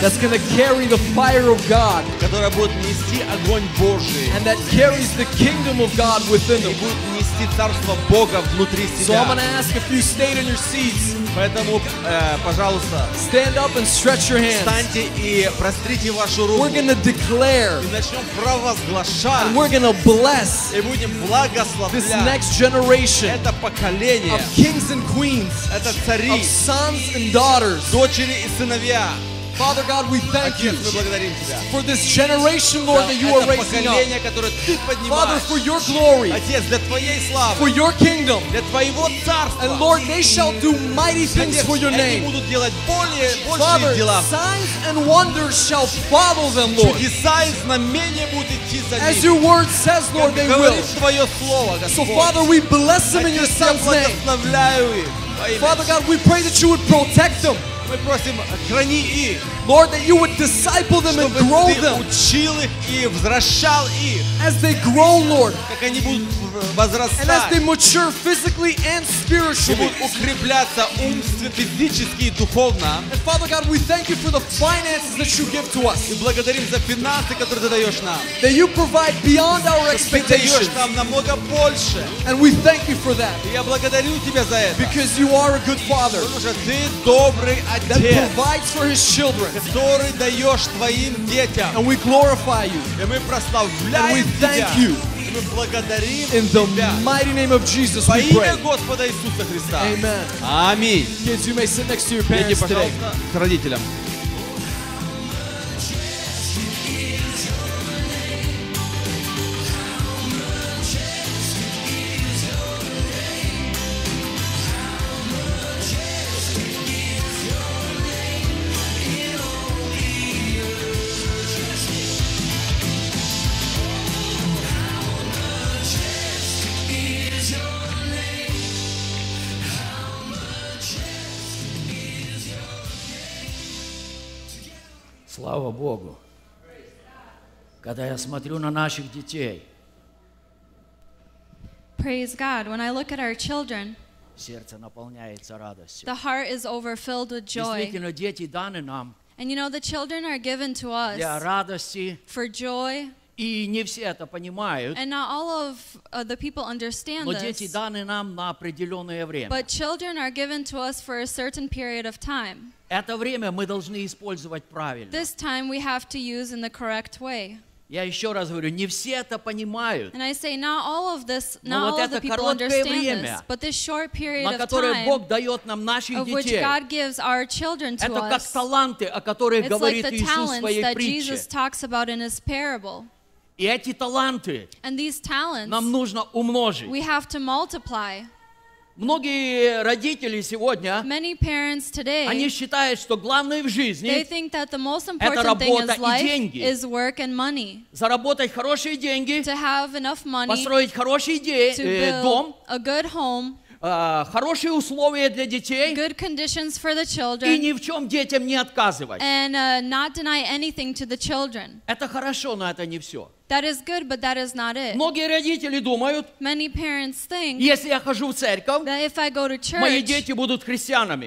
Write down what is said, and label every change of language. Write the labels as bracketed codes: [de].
[en] That's going to carry the fire of God. [ru] Которое будет нести огонь Божий. [en] And that carries the kingdom of God within them. [ru] И будет нести царство Бога внутри себя. [en] So I'm going to ask if you stayed in your seats. [ru] Поэтому, пожалуйста, [en] stand up and stretch your hands. [ru] Встаньте и прострите вашу руку. [en] We're going to declare. [ru] И начнем провозглашать. [en] And we're going to bless. [ru] И будем благословлять. [en] This next generation. [ru] Это поколение. [en] Of kings and queens. [ru] Это цари. [en] Of sons and daughters. [ru] Дочери и сыновья. [en] Father God, we thank you. [ru] Отец, мы благодарим тебя. [en] For this generation, Lord, that you are raising up. [ru] Это поколение, которое ты поднимаешь. [en] Father, for your glory. [ru] Отец, для твоей славы. [en] For your kingdom. [ru] Для твоего царства. [en] And Lord, they shall do mighty things for your name. [ru] Они будут делать более большие дела. [en] Father, signs and wonders shall follow them, Lord. [ru] Чудеса и знамения будут идти за ними. [en] As your word says, Lord, they will. [ru] Говорит твое слово, Господь. [en] So Father, we bless them in your son's name. [ru] Отец, я благословляю их. [en] Father God, we pray that you would protect them. [ru] Мы просим, храни их. [en] Lord, that you would disciple them and grow them. [ru] Чтобы ты учил их и взращал их. [en] As they grow, Lord. [ru] Как они будут возрастать. [en] And as they mature physically and spiritually. [ru] И будут укрепляться умственно, физически и духовно. [en] And Father God, we thank you for the finances that you give to us. [ru] И благодарим за финансы, которые ты даешь нам. [en] That you provide beyond our expectations. [ru] Ты даешь нам намного больше. [en] And we thank you for that. [ru] И я благодарю тебя за это. [en] Because you are a good father. [ru] Потому что ты добрый отец. [en] That provides for his children. [ru] Который даешь твоим детям. [en] And we glorify you. [ru] И мы прославляем тебя. [en] And we thank you. И мы благодарим [ru] тебя. [en] In the mighty name of Jesus, we pray. [ru] Во имя Господа Иисуса Христа. [en] Amen. [ru] Аминь. [en] Kids, you may sit next to your parents today. [ru] Иди, пожалуйста, к родителям. Слава Богу! Когда я смотрю на наших детей, [en] praise God, when I look at our children, [ru] сердце наполняется радостью. [en] The heart is overfilled with joy. [ru] Действительно, дети даны нам. [en] And you know, the children are given to us [ru] для радости, [en] for joy. [ru] И не все это понимают. [en] And not all of the people understand this. [ru] Но дети даны нам на определенное время. [en] But children are given to us for a certain period of time. [ru] Это время мы должны использовать правильно. [en] This time we have to use in the correct way. [ru] Я еще раз говорю, не все это понимают. [en] And I say, not all of this, not all of the people understand this. But this short period of time, [ru] Бог дает нам наших детей, [en] of which God gives our children to [ru] это [en] us, [ru] как таланты, о которых [en] it's [ru] говорит [en] like the [ru] Иисус [en] talents [ru] в своей [en] that [ru] притче. [en] Jesus talks about in his parable. [ru] И эти таланты [en] and these talents, [ru] нам нужно умножить. [en] We have to multiply. [ru] Многие родители сегодня, [en] many parents today, [ru] они считают, что главное в жизни [en] they think that the most important [ru] это работа [en] thing is [ru] и деньги. [en] Is work and money. [ru] Заработать хорошие деньги, [en] to have enough money, [ru] построить хороший дом, [en] a good home, [ru] хорошие условия для детей [en] good conditions for the children, [ru] и ни в чем детям не отказывать. [en] And, not deny anything to the children. [ru] Это хорошо, но это не все. [en] That is good, but that is not it. [ru] Многие родители думают, [en] many parents think, [ru] если я хожу в церковь, [en] that if I go to church, [ru] мои дети будут христианами.